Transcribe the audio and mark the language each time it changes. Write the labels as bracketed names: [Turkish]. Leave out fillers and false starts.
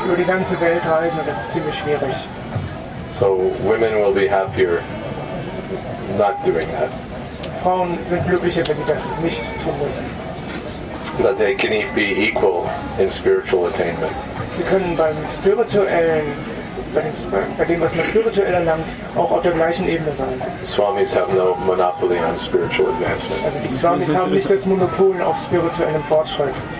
[German] Über die ganze Welt reisen, das ist ziemlich schwierig. [English] So women will be happier not doing that. [German] Frauen sind glücklicher, wenn sie das nicht tun müssen. [English] That they can be equal in spiritual attainment. [German] Sie können beim spirituellen, bei dem, was man spirituell erlangt, auch auf der gleichen Ebene sein. [English] Swamis have no monopoly on spiritual advancement. [German] Also die Swamis haben nicht das Monopol auf spirituellen Fortschritt.